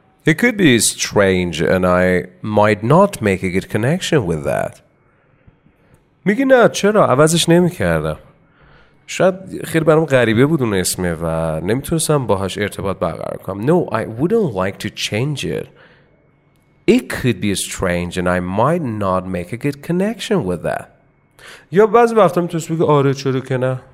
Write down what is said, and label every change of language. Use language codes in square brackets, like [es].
[en] It could be strange and I might not make a good connection with that. [fa] میگی نه چرا عوضش نمی کردم. شاید خیلی برام غریبه بود اون اسمه و نمیتونستم باهاش ارتباط برقرار کنم. [en] No, I wouldn't like to change it. It could be strange and I might not make a good connection with that. [fa] یا بعضی وقتا میتونست بگه آره چرا که نه.